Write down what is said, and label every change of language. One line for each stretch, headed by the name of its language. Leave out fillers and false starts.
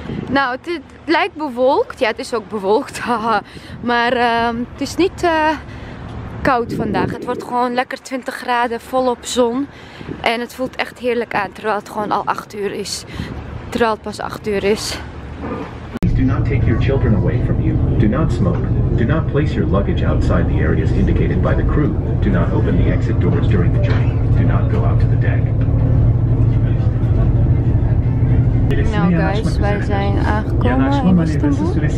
Dutch: Nou, het lijkt bewolkt. Ja, het is ook bewolkt. Maar het is niet koud vandaag. Het wordt gewoon lekker 20 graden, volop zon. En het voelt echt heerlijk aan, terwijl het gewoon al 8 uur is. Terwijl het pas 8 uur is.
English: Please do not take your children away from you. Do not smoke. Do not place your luggage outside the areas indicated by the crew. Do not open the exit doors during the journey. Do not go out to the deck.
Dutch: Nou guys, wij zijn aangekomen in Istanbul.